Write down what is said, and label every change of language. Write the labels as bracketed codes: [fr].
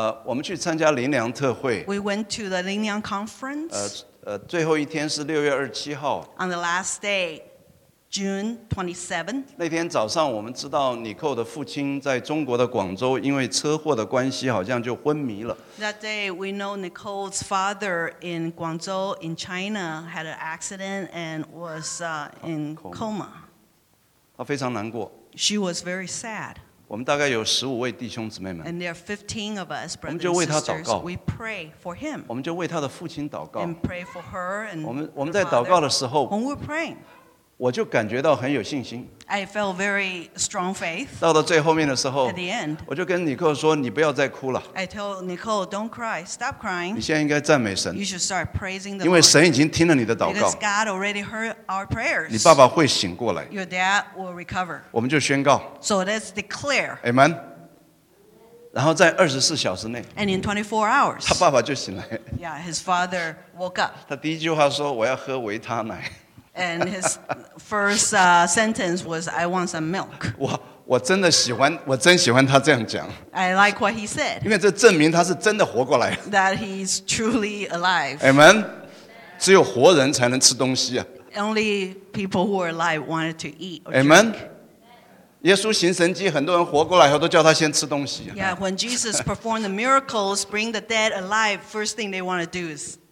[zh] 我们去参加灵粮特会。 [en] We went to the 灵粮 conference. [zh] 最后一天是六月二十七号。 [en] On the last day, June 27. [zh] 那天早上我们知道 Nicole 的父亲在中国的广州因为车祸的关系好像就昏迷了。 [en] That day we know Nicole's father in Guangzhou in China had an accident and was in coma. [zh] 她非常难过。 [en] She was very sad. [zh] 我们大概有十五位弟兄姊妹们。 [en] And there are 15 of us, brothers. [zh] 我们就为她祷告。 [en] We pray for him. [zh] 我们就为她的父亲祷告。 [en] And pray for her and [zh] 我们在祷告的时候。 [en] When we're praying. [zh] 我就感觉到很有信心。 [en] I felt very strong faith. [zh] 到了最后面的时候 [en] ，at the end， [zh] 我就跟 Nicole 说：“你不要再哭了。 [en] ”I told Nicole, "Don't cry, stop crying." [zh] 你现在应该赞美神。 [en] You should start praising the Lord. [zh] 因为神已经听了你的祷告。 [en] Because God already heard our prayers. [zh] 你爸爸会醒过来。 [en] Your dad will recover. [zh] 我们就宣告。 [en] So let's declare. Amen. [zh] 然后在二十四小时内 [en] ，and in 24 hours， [zh] 他爸爸就醒来。 [en] Yeah, his father woke up. [zh] 他第一句话说：“我要喝维他奶。” [en] And his first sentence was, "I want some milk." [zh] 我真的喜欢，我真喜欢他这样讲。 [en] I like what he said. [zh] 因为这证明他是真的活过来。 [en] That he's truly alive. Amen. [zh] 只有活人才能吃东西啊。 [en] Only people who are alive wanted to eat. Amen. [zh] 耶稣行神迹，很多人活过来以后都叫他先吃东西。 [en] Yeah, when Jesus performed the miracles, bring the dead alive. First thing they want to do is